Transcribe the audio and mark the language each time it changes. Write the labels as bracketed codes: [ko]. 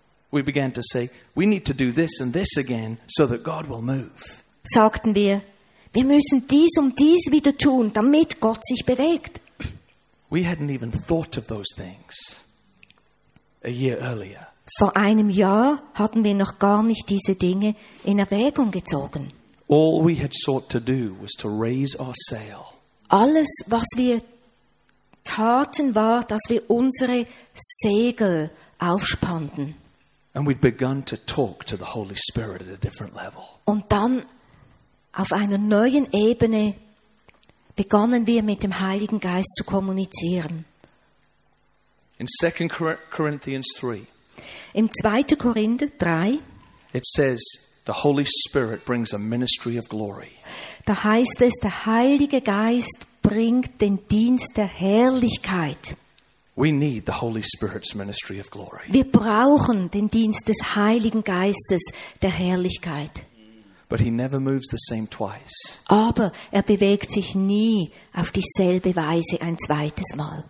[en] we began to say, we need to do this and this again, so that God will move. [de] Sagten wir müssen dies und dies wieder tun, damit Gott sich bewegt. [en] We hadn't even thought of those things a year earlier. [de] Vor einem Jahr hatten wir noch gar nicht diese Dinge in Erwägung gezogen. [en] All we had sought to do was to raise our sail. [de] Alles, was wir taten, war, dass wir unsere Segel aufspannten. [en] And we'd begun to talk to the Holy Spirit at a different level. [de] Und dann auf einer neuen Ebene begannen wir mit dem Heiligen Geist zu kommunizieren. [en] In 2 Corinthians 3. [de] Im 2. Korinther 3. [en] It says the Holy Spirit brings a ministry of glory. [de] Da heißt es, der Heilige Geist bringt den Dienst der Herrlichkeit. [en] We need the Holy Spirit's ministry of glory. [de] Wir brauchen den Dienst des Heiligen Geistes der Herrlichkeit. [en] But he never moves the same twice. [de] Aber er bewegt sich nie auf dieselbe Weise ein zweites Mal.